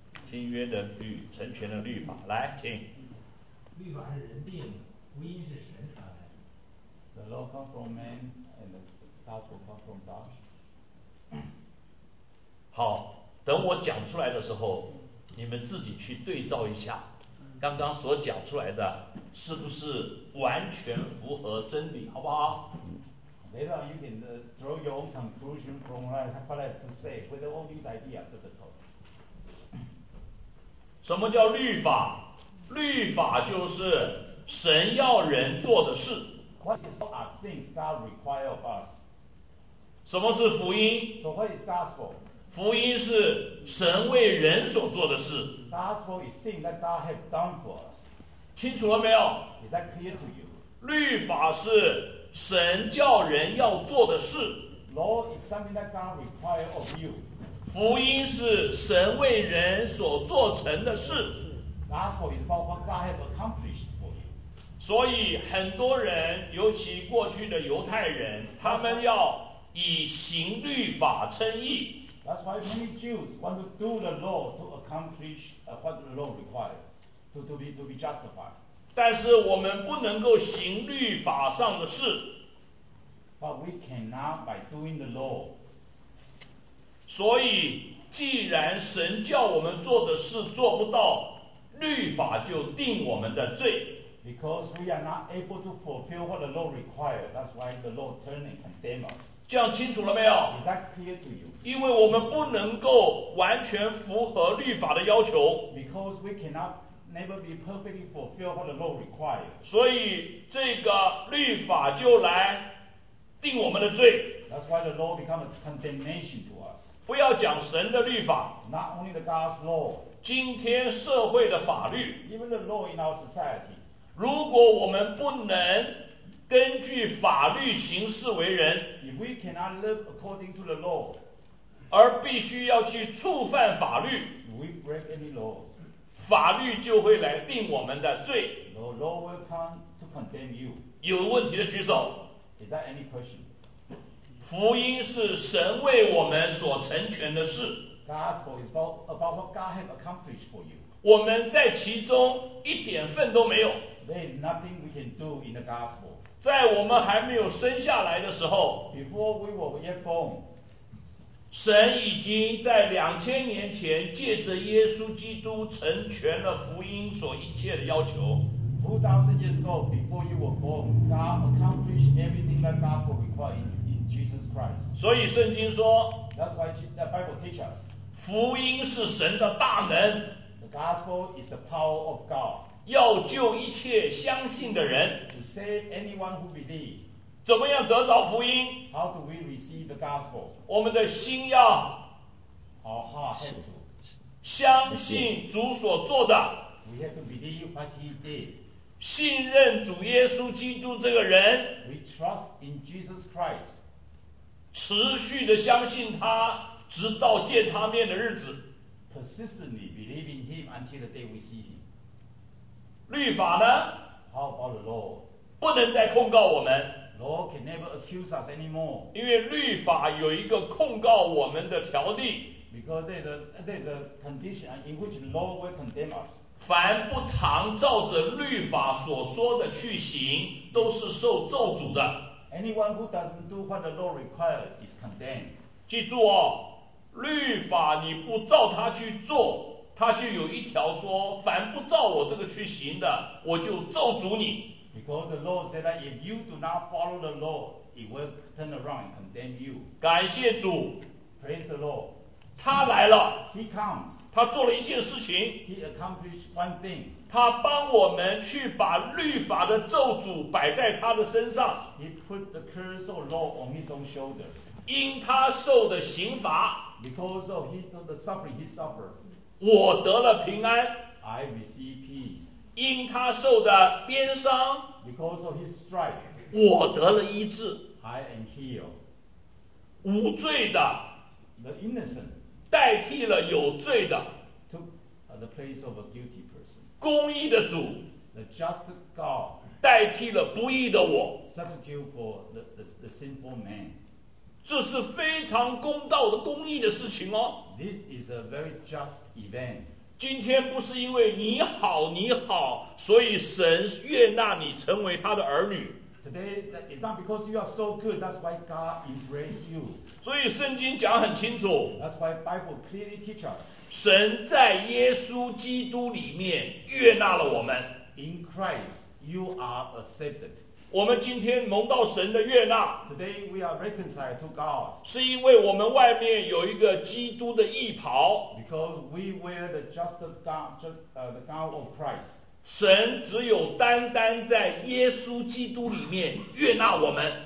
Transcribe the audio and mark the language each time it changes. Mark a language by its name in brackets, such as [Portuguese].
[Chinese] 新约的律，成全的律法，来，请。律法是人定的，福音是神。 [English] The law comes from man and the gospel comes from God. [Chinese] 好，等我讲出来的时候，你们自己去对照一下，刚刚所讲出来的是不是完全符合真理，好不好？ [English] Later on, you can draw your own conclusion from what I have to say, whether all these ideas are biblical. [Chinese] 什么叫律法？律法就是神要人做的事。 [English] What is our things God require of us? [Chinese] 什么是福音？ [English] So what is gospel? [Chinese] 福音是神为人所做的事。 [English] Gospel is thing that God has done for us. [Chinese] 清楚了没有？ [English] Is that clear to you? [Chinese] 律法是神叫人要做的事。 [English] Law is something that God require of you. [Chinese] 福音是神为人所做成的事。 [English] Gospel is about what God has accomplished. [Chinese] 所以很多人，尤其过去的犹太人，他们要以行律法称义。 [English] That's why many Jews want to do the law to accomplish what the law requires, to be justified. [Chinese] 但是我们不能够行律法上的事。 [English] But we cannot by doing the law. [Chinese] 所以既然神叫我们做的事做不到，律法就定我们的罪。 [English] Because we are not able to fulfill what the law requires, that's why the law turns and condemns us. [Chinese] 这样清楚了没有？ [English] Is that clear to you? [Chinese] 因为我们不能够完全符合律法的要求。 [English] Because we cannot never be perfectly fulfill what the law requires. [Chinese] 所以这个律法就来定我们的罪。 [English] That's why the law becomes a condemnation to us. [Chinese] 不要讲神的律法。 [English] Not only the God's law. [Chinese] 今天社会的法律。 [English] Even the law in our society. [Chinese] 如果我们不能根据法律行事为人， [English] If we cannot live according to the law, [Chinese] 而必须要去触犯法律， [English] we break any laws, [Chinese] 法律就会来定我们的罪。 [English] The law will come to condemn you. [Chinese] 有问题的举手。 [English] Is that any question? [Chinese] 福音是神为我们所成全的事。 [English] Gospel is about what God has accomplished for you. [Chinese] 我们在其中一点份都没有。 [English] There is nothing we can do in the gospel. [Chinese] 在我们还没有生下来的时候， [English] Before we were yet born, [Chinese] 神已经在2000年前借着耶稣基督成全了福音所一切的要求。 [English] 2000 years ago, before you were born, God accomplished everything that gospel required in Jesus Christ. [Chinese] 所以圣经说， [English] That's why the Bible teaches us. [Chinese] 福音是神的大能。 [English] The gospel is the power of God. [Chinese] 要救一切相信的人。 [English] To save anyone who believe. [Chinese] 怎么样得着福音？ [English] How do we receive the gospel? [Chinese] 我们的心要 [English] Our heart has to [Chinese] 相信主所做的。 [English] We have to believe what he did. [Chinese] 信任主耶稣基督这个人。 [English] We trust in Jesus Christ. [Chinese] 持续的相信他，直到见他面的日子。 [English] Persistently believe in him until the day we see him. [Chinese] 律法呢？ [English] How about the law? [Chinese] 不能再控告我们。 [English] Law can never accuse us anymore. [Chinese] 因为律法有一个控告我们的条例。 [English] Because there's a condition in which law will condemn us. [Chinese] 凡不常照着律法所说的去行，都是受咒诅的。 [English] Anyone who doesn't do what the law requires is condemned. [Chinese] 记住哦，律法你不照他去做，他就有一条说，凡不照我这个去行的，我就咒诅你。 [English] Because the law said that if you do not follow the law, it will turn around and condemn you. [Chinese] 感谢主。 [English] Praise the Lord. [Chinese] 他来了。 [English] He comes. [Chinese] 他做了一件事情， [English] He accomplished one thing. [Chinese] 他帮我们去把律法的咒诅摆在他的身上， [English] He put the curse of law on his own shoulder. [Chinese] 因他受的刑罚， [English] Because of the suffering he suffered. [Chinese] 我得了平安， [English] I receive peace. [Chinese] 因他受的鞭伤， [English] Because of his stripes. [Chinese] 我得了医治， [English] I am healed. [Chinese] 无罪的， [English] The innocent. [Chinese] 代替了有罪的 [English] took the place of a guilty person. [Chinese] 公义的主 [English] the just God. [Chinese] 代替了不义的我 [English] substitute for the sinful man. [Chinese] 这是非常公道的公义的事情哦 [English] This is a very just event. [Chinese] 今天不是因为你好你好所以神悦纳你成为他的儿女 [English] Today it's not because you are so good, that's why God embraced you. [Chinese] 所以圣经讲很清楚 [English] That's why Bible clearly teach us. [Chinese] 神在耶稣基督里面悦纳了我们 [English] In Christ you are accepted. [Chinese] 我们今天蒙到神的悦纳 [English] Today we are reconciled to God. [Chinese] 是因为我们外面有一个基督的义袍 [English] Because we wear the just gown, the gown of Christ. [Chinese] 神只有单单在耶稣基督里面悦纳我们